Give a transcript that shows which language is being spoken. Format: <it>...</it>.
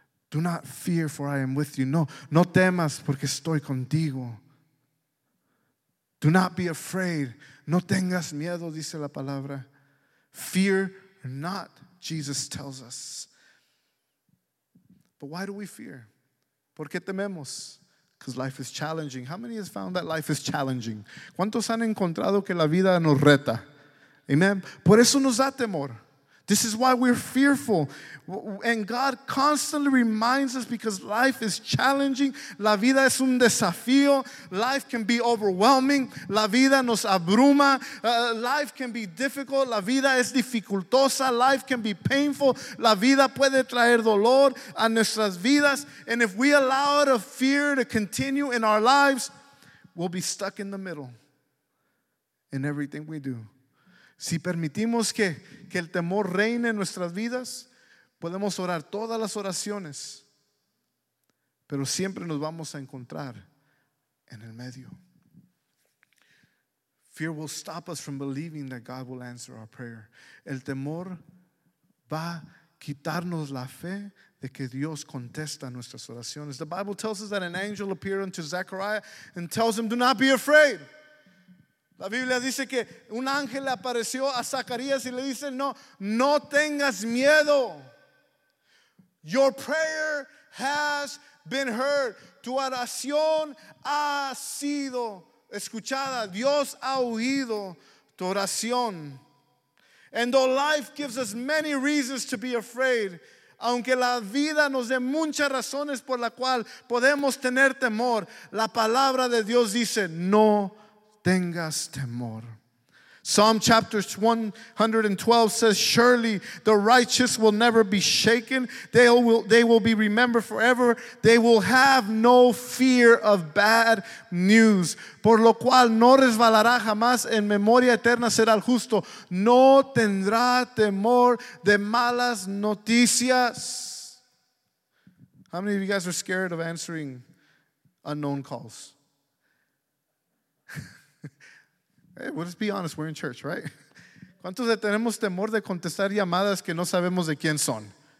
<en>Do not fear, for I am with you.</en> <es>No temas, porque estoy contigo.</es> <en>Do not be afraid.</en> <es>No tengas miedo, dice la palabra.</es> <en>Fear not, Jesus tells us. But why do we fear?</en> <es>¿Por qué tememos?</es> <en>Because life is challenging. How many have found that life is challenging?</en> <es>¿Cuántos han encontrado que la vida nos reta? Amen. Por eso nos da temor.</es> <en>This is why we're fearful. And God constantly reminds us, because life is challenging.</en> <es>La vida es un desafío.</es> <en>Life can be overwhelming.</en> <es>La vida nos abruma.</es> <en>Life can be difficult.</en> <es>La vida es dificultosa.</es> <en>Life can be painful.</en> <es>La vida puede traer dolor a nuestras vidas.</es> <en>And if we allow the fear to continue in our lives, we'll be stuck in the middle in everything we do.</en> <es>Si permitimos que el temor reine en nuestras vidas, podemos orar todas las oraciones, pero siempre nos vamos a encontrar en el medio.</es> <en>Fear will stop us from believing that God will answer our prayer.</en> <es>El temor va a quitarnos la fe de que Dios contesta nuestras oraciones.</es> <en>The Bible tells us that an angel appeared unto Zechariah and tells him, do not be afraid.</en> <es>La Biblia dice que un ángel apareció a Zacarías y le dice, no tengas miedo.</es> <en>Your prayer has been heard.</en> <es>Tu oración ha sido escuchada. Dios ha oído tu oración.</es> <en>And though life gives us many reasons to be afraid,</en> <es>aunque la vida nos dé muchas razones por la cual podemos tener temor, la palabra de Dios dice, no tengas temor.</es> <en>Psalm chapter 112 says, surely the righteous will never be shaken. They will be remembered forever. They will have no fear of bad news.</en> <es>Por lo cual no resbalará jamás, en memoria eterna será el justo. No tendrá temor de malas noticias.</es> <en>How many of you guys are scared of answering unknown calls? Hey, well, let's be honest, we're in church, right?</en> <es>¿Cuántos tenemos temor de contestar llamadas que no sabemos de quién son?</es>